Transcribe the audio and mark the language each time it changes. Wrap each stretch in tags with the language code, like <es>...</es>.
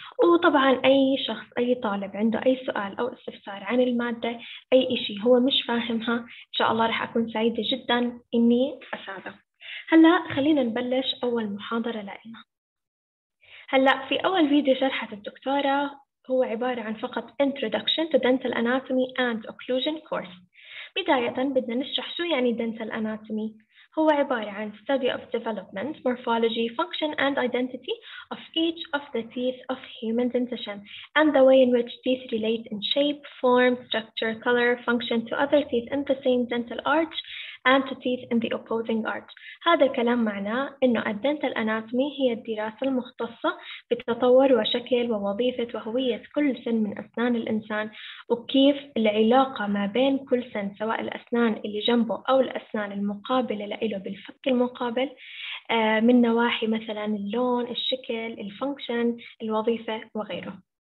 <ar>وطبعا اي شخص اي طالب عنده اي سؤال او استفسار عن الماده اي شيء هو مش فاهمها ان شاء الله رح اكون سعيده جدا اني اساعده. هلا خلينا نبلش اول محاضره لنا. هلا في اول فيديو شرحت الدكتوره هو عبارة عن فقط</ar> <en>Introduction to Dental Anatomy and Occlusion Course.</en> <ar>بداية بدنا نشرح شو يعني Dental Anatomy. هو عبارة عن</ar> <en>Study of Development, Morphology, Function and Identity of each of the teeth of human dentition and the way in which teeth relate in shape, form, structure, color, function to other teeth in the same dental arch and to teeth in the opposing arch.</en> <ar>هذا الكلام معناه إنه الدنتال أناتومي هي الدراسة المختصة بتطور وشكل ووظيفة وهوية كل سن من أسنان الإنسان، وكيف العلاقة ما بين كل سن سواء الأسنان اللي جنبه أو الأسنان المقابلة لإله بالفك المقابل، من نواحي مثلا اللون، الشكل، الفانكشن، الوظيفة وغيره.</ar>